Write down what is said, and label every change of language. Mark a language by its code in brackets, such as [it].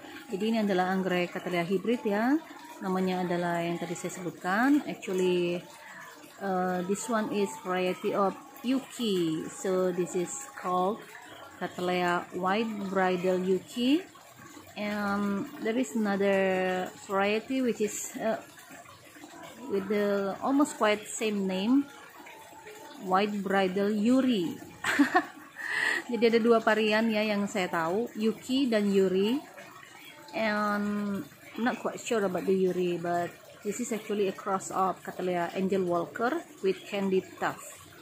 [id] Jadi ini adalah anggrek Cattleya hybrid ya. Namanya adalah yang tadi saya sebutkan. [en] Actually, this one is variety of Yuki. So this is called Cattleya White Bridal Yuki. And there is another variety which is with the almost quite same name, White Bridal Yuri. [id] Jadi ada dua varian ya yang saya tahu, Yuki dan Yuri. [en] And I'm not quite sure about the Yuri, but this is actually a cross of Cattleya Angel Walker with Candy Tuff.